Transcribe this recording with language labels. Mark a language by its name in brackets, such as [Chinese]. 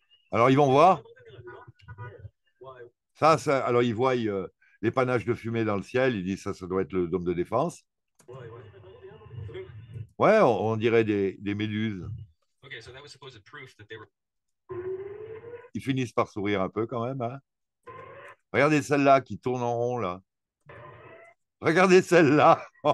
[French] Alors, ils vont voir. Ça, alors, ils voient l'épanage de fumée dans le ciel. Ils disent, ça doit être le dôme de défense. Ouais, on dirait des méduses. [English] Okay, so that was supposed to prove that they were... [French] Ils finissent par sourire un peu quand même, hein. Regardez celle-là qui tourne en rond, là. Regardez celle-là.